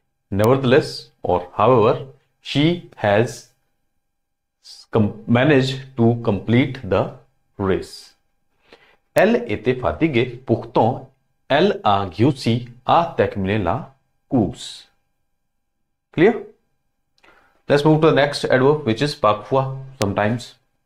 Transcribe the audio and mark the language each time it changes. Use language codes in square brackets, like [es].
[en] Nevertheless, or however, she has managed to complete the race. [fr] Elle était fatiguée, pourtant elle a réussi à terminer la course. [en] Clear? Let's move to the next adverb, which is parfois, sometimes.